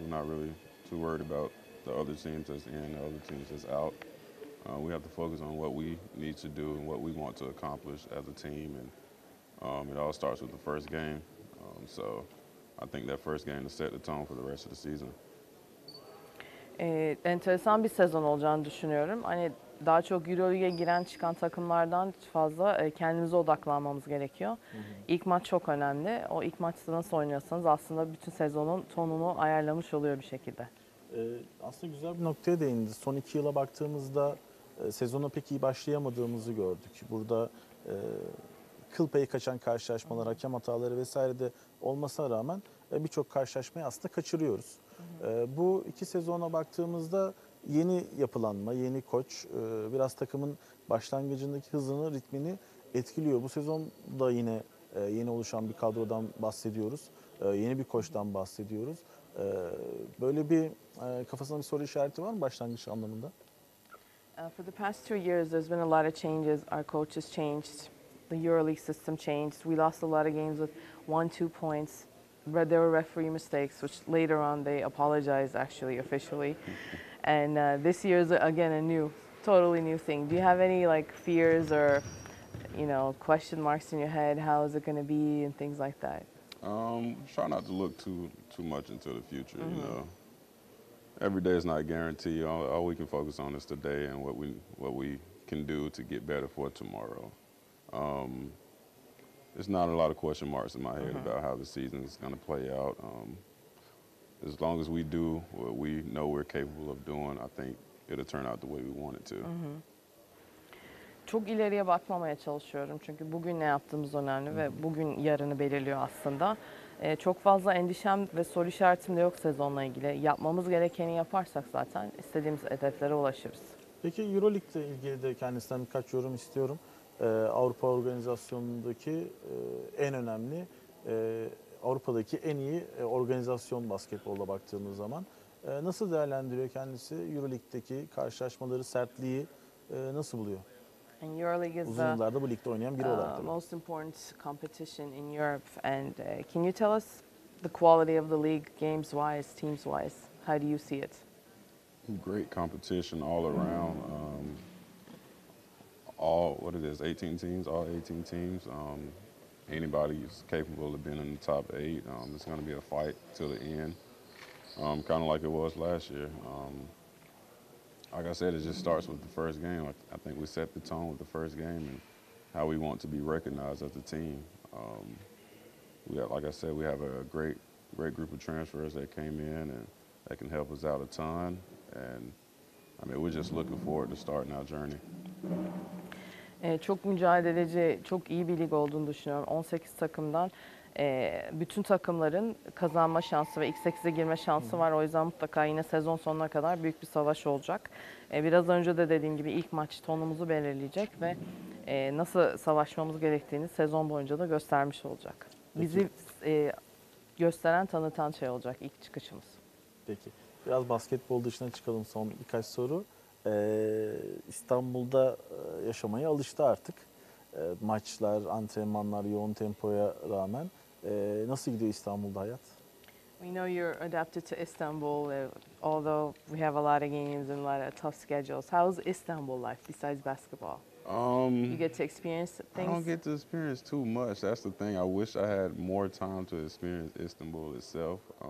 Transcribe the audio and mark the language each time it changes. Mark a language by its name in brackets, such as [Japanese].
[English] We're not really too worried about the other teams that's in, the other teams that's out. We have to focus on what we need to do and what we want to accomplish as a team, and it all starts with the first game. So I think that first game to set the tone for the rest of the season. [Turkish] Enteresan bir sezon olacağını düşünüyorum. Hani daha çok Euroleague'e giren çıkan takımlardan fazla kendimize odaklanmamız gerekiyor. İlk maç çok önemli. O ilk maçta nasıl oynuyorsanız aslında bütün sezonun tonunu ayarlamış oluyor bir şekilde. Aslında güzel bir noktaya değindi. Son iki yıla baktığımızda sezona pek iyi başlayamadığımızı gördük. Burada kıl payı kaçan karşılaşmalar, hakem hataları vesaire de olmasına rağmen birçok karşılaşmayı aslında kaçırıyoruz. Bu iki sezona baktığımızda yeni yapılanma, yeni koç biraz takımın başlangıcındaki hızını, ritmini etkiliyor. Bu sezon da yine yeni oluşan bir kadrodan bahsediyoruz. Yeni bir koçtan bahsediyoruz. Böyle bir kafasında bir soru işareti var mı başlangıç anlamında? [English] For the past 2 years there's been a lot of changes. Our coach has changed. The EuroLeague system changed. We lost a lot of games with 1-2 points. There were referee mistakes, which later on they apologized actually officially. And this year is again a new, totally new thing. Do you have any like fears or, you know, question marks in your head? How is it going to be and things like that? Try not to look too much into the future. You know, every day is not a guarantee. All we can focus on is today and what we can do to get better for tomorrow. There's not a lot of question marks in my head about how the season is going to play out. As long as we do what we know we're capable of doing, I think it'll turn out the way we want it to. [Turkish] Çok ileriye bakmamaya çalışıyorum çünkü bugün ne yaptığımız önemli ve bugün yarını belirliyor aslında. Çok fazla endişem ve soru işaretim de yok sezonla ilgili. Yapmamız gerekeni yaparsak zaten istediğimiz hedeflere ulaşırız. Peki EuroLeague'le ilgili de kendisinden birkaç yorum istiyorum. Avrupa organizasyonundaki en önemli, Avrupa'daki en iyi organizasyon basketbolla baktığımız zaman nasıl değerlendiriyor kendisi EuroLeague'deki karşılaşmaları, sertliği nasıl buluyor? [English] And EuroLeague is [Turkish] uzun yıllardır bu ligde oynayan biri olarak. [English] The most important competition in Europe, and can you tell us the quality of the league games wise, teams wise? How do you see it? Great competition all around. All, what it is, 18 teams, all 18 teams. Anybody is capable of being in the top eight. It's going to be a fight till the end, kind of like it was last year. Like I said, it just starts with the first game. I think we set the tone with the first game and how we want to be recognized as a team. We have, like I said, we have a great group of transfers that came in and that can help us out a ton. And I mean, we're just looking forward to starting our journey. [Turkish] Çok mücadeleci, çok iyi bir lig olduğunu düşünüyorum. 18 takımdan bütün takımların kazanma şansı ve ilk 8'e girme şansı var. O yüzden mutlaka yine sezon sonuna kadar büyük bir savaş olacak. Biraz önce de dediğim gibi ilk maç tonumuzu belirleyecek ve nasıl savaşmamız gerektiğini sezon boyunca da göstermiş olacak. Bizi gösteren, tanıtan şey olacak ilk çıkışımız. Peki. Biraz basketbol dışına çıkalım son birkaç soru. İstanbul'da yaşamaya alıştı artık. maçlar, antrenmanlar yoğun tempoya rağmen nasıl gidiyor İstanbul'da hayat? [English] We know you're adapted to Istanbul, although we have a lot of games and a lot of tough schedules. How's Istanbul life besides basketball? You get to experience things? I don't get to experience too much. That's the thing. I wish I had more time to experience Istanbul itself.